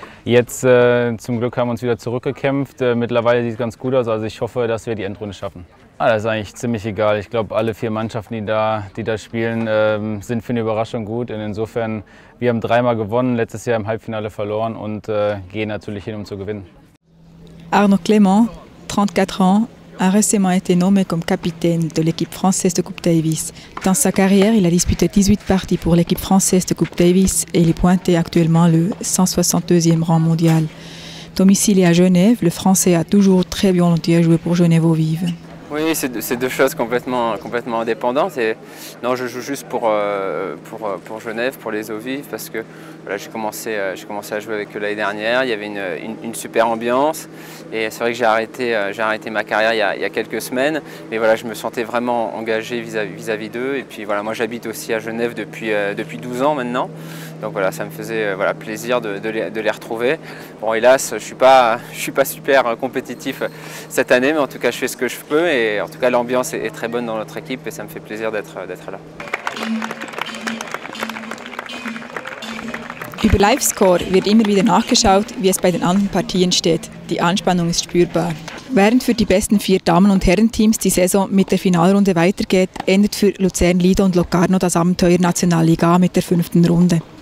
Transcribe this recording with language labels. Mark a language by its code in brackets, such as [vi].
[de] Jetzt zum Glück haben wir uns wieder zurückgekämpft. Mittlerweile sieht es ganz gut aus. Also ich hoffe, dass wir die Endrunde schaffen. Ah, das ist eigentlich ziemlich egal. Ich glaube, alle vier Mannschaften, die da spielen, sind für eine Überraschung gut. Und insofern, wir haben dreimal gewonnen, letztes Jahr im Halbfinale verloren und gehen natürlich hin, um zu gewinnen. [fr] Arnaud Clément, 34 ans. A récemment été nommé comme capitaine de l'équipe française de Coupe Davis. Dans sa carrière, il a disputé 18 parties pour l'équipe française de Coupe Davis et il est pointé actuellement le 162e rang mondial. Domicilié à Genève, le français a toujours très bien volontiers joué pour Genève au Vive. Oui, c'est deux choses complètement indépendantes. Et non, je joue juste pour Genève, pour les Eaux Vives, parce que voilà, j'ai commencé à jouer avec eux l'année dernière. Il y avait une super ambiance. Et c'est vrai que j'ai arrêté ma carrière il y a quelques semaines. Mais voilà, je me sentais vraiment engagé vis-à-vis d'eux. Et puis voilà, moi j'habite aussi à Genève depuis 12 ans maintenant. Donc voilà, ça me faisait plaisir de les retrouver. Bon, hélas, je suis pas super compétitif cette année, mais en tout cas, je fais ce que je peux. Et en tout cas, l'ambiance est très bonne dans notre équipe et ça me fait plaisir d'être là. [de] Über LiveScore wird immer wieder nachgeschaut, wie es bei den anderen Partien steht. Die Anspannung ist spürbar. Während für die besten vier Damen- und Herrenteams die Saison mit der Finalrunde weitergeht, endet für Luzern, Lido und Locarno das Abenteuer Nationalliga mit der fünften Runde.